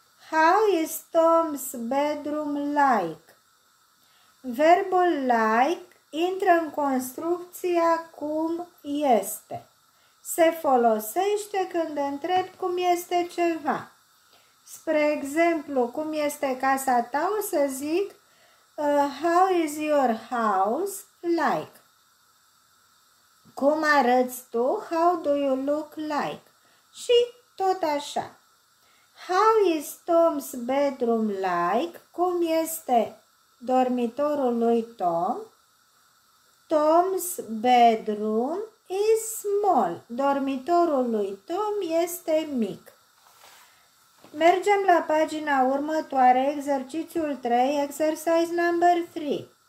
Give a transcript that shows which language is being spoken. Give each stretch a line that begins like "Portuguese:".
English: How is Tom's bedroom like?
Romanian: Verbul like intră în construcția cum este. Se folosește când întreb cum este ceva. Spre exemplu, cum este casa ta, o să zic
English: how is your house like?
Romanian: Cum arăți tu?
English: How do you look like?
Romanian: Și tot așa.
English: How is Tom's bedroom like?
Romanian: Cum este dormitorul lui Tom?
English: Tom's bedroom is small.
Romanian: Dormitorul lui Tom este mic. Mergem la pagina următoare, exercițiul 3,
English: exercise number 3.